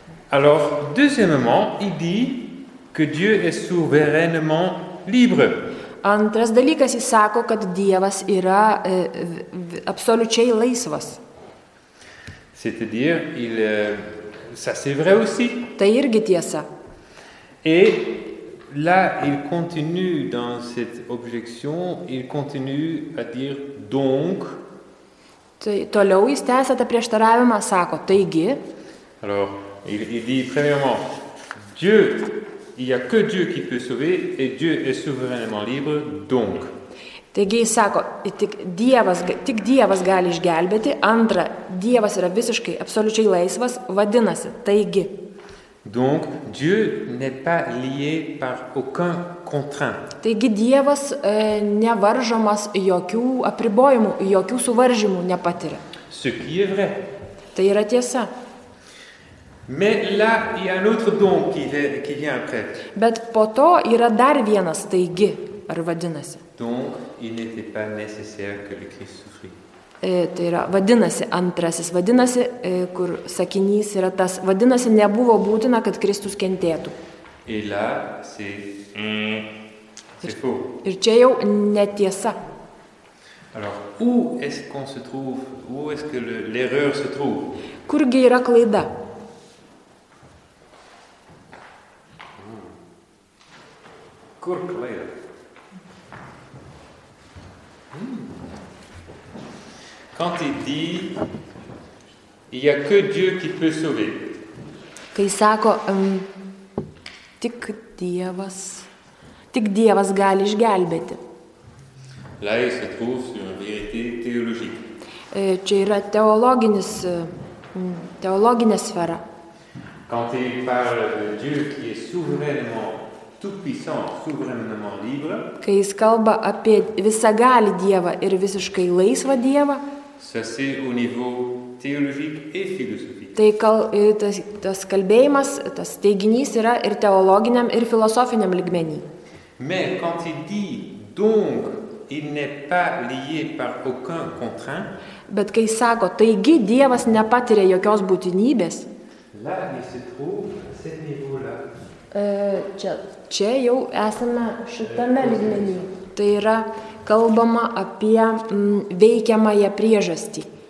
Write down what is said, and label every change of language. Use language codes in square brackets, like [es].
[fr] Alors, deuxièmement, il dit que Dieu est souverainement libre. [lt] Antras dalykas, jis sako, kad Dievas yra absoliučiai laisvas. [fr] C'est-à-dire, ça c'est vrai aussi. [lt] Tai irgi tiesa. [fr] Et là, il continue dans cette objection, il continue à dire donc. [lt] Tai toliau jis tęsia tą prieštaravimą, sako, taigi. [fr] Alors, il dit premièrement, Dieu, il y a que Dieu qui peut sauver et Dieu est souverainement libre, donc. [lt] Taigi jis sako, tik Dievas gali išgelbėti, antra, Dievas yra visiškai absoliučiai laisvas, vadinasi, taigi. [fr] Donc Dieu n'est pas lié par aucun contraint. [lt] Taigi Dievas nevaržomas jokių apribojimų, jokių suvaržymų nepatiria. [fr] Ce qui est vrai. [lt] Tai yra tiesa. [fr] Mais là il y a un autre donc qui vient après. [lt] Bet po to yra dar vienas taigi, ar vadinasi. [fr] Donc il n'était pas nécessaire que le Christ souffrit. [lt] Tai yra, vadinasi, antrasis, vadinasi, kur sakinys yra tas, vadinasi, nebuvo būtina, kad Kristus kentėtų. [fr] Et là, c'est faux. [lt] Ir čia jau netiesa. [fr] Alors, où est-ce qu'on se trouve, où est-ce que l'erreur se trouve? [lt] Kurgi yra klaida? Kur klaida? [fr] Quand il dit il y a que Dieu qui peut sauver. [lt] Kai sako tik Dievas gali išgelbėti. [fr] Là, il se trouve sur une vérité théologique. [lt] Čia yra teologinė sfera. [fr] Quand il parle de Dieu qui est souverainement tout puissant, souverainement libre. [lt] Kai jis kalba apie visagalį Dievą ir visiškai laisvą Dievą. [fr] Ça c'est au niveau théologique et philosophique. [lt] Tai tas kalbėjimas, tas teiginys yra ir teologiniam ir filosofiniam lygmeny. [fr] Mais quand il dit donc, il n'est pas lié par aucun contraint. [lt] Bet kai sako, taigi Dievas nepatiria jokios būtinybės. [fr] Là, il se trouve à ce niveau-là. [lt] Čia jau esame šitame lygmeny. Tai yra kalbama apie veikiamąją priežastį.